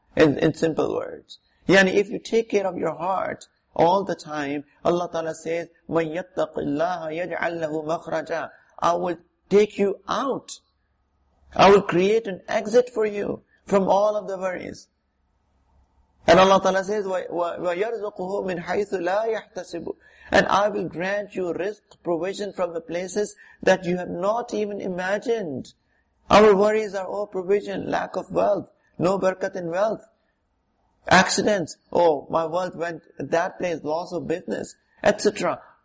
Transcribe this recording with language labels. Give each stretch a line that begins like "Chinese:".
English: In simple words. Yani if you take care of your heart all the time, Allah ta'ala says,
Arabic: مَنْ يَتَّقِ اللَّهَ يَجْعَلْ لَهُ مَخْرَجًا.
English: I will take you out. I will create an exit for you from all of the worries. And Allah ta'ala says,
Arabic: وَيَرْزُقُهُ مِنْ حَيْثُ لَا يَحْتَسِبُ.
English: And I will grant you rizq, provision from the places that you have not even imagined. Our worries are all provision, lack of wealth, no barakat in wealth, accidents, oh, my wealth went that place, loss of business, etc.